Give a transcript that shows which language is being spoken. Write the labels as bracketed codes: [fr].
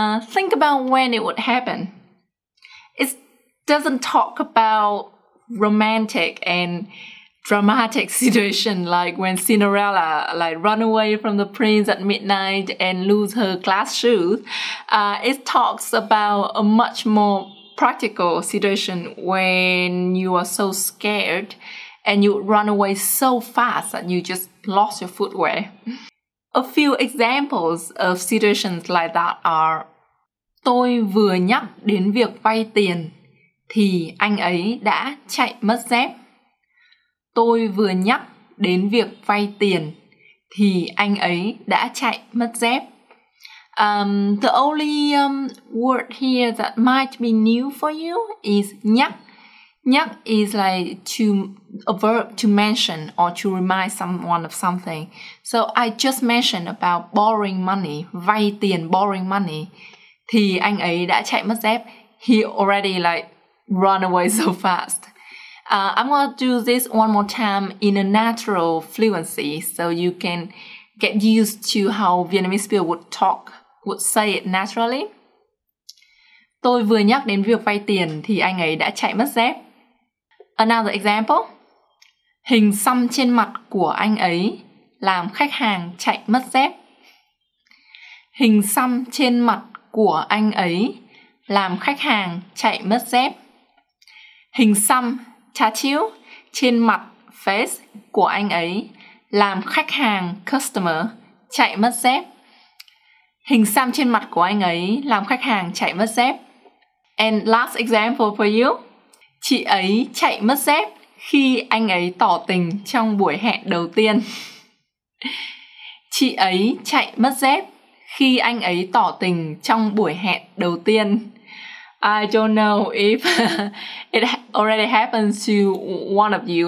[en] Think about when it would happen. It doesn't talk about romantic and dramatic situation like when Cinderella like run away from the prince at midnight and lose her glass shoes. It talks about a much more practical situation when you are so scared and you run away so fast that you just lost your footwear. A few examples of situations like that are: [vi] tôi vừa nhắc đến việc vay tiền thì anh ấy đã chạy mất dép. Tôi vừa nhắc đến việc vay tiền thì anh ấy đã chạy mất dép. [en] The only word here that might be new for you is nhắc. Nhắc is like to a verb to mention or to remind someone of something. So I just mentioned about borrowing money, [vi] vay tiền, [en] borrowing money. [vi] Thì anh ấy đã chạy mất dép. [en] He already like run away so fast. I'm going to do this one more time in a natural fluency so you can get used to how Vietnamese people would talk, would say it naturally. [vi] Tôi vừa nhắc đến việc vay tiền thì anh ấy đã chạy mất dép. [en] Another example. [vi] Hình xăm trên mặt của anh ấy làm khách hàng chạy mất dép. Hình xăm trên mặt của anh ấy làm khách hàng chạy mất dép. Hình xăm tattoo trên mặt face của anh ấy làm khách hàng customer chạy mất dép. Hình xăm trên mặt của anh ấy làm khách hàng chạy mất dép. [en] And last example for you. [vi] Chị ấy chạy mất dép khi anh ấy tỏ tình trong buổi hẹn đầu tiên. Chị ấy chạy mất dép khi anh ấy tỏ tình trong buổi hẹn đầu tiên. [en] I don't know if it already happens to one of you.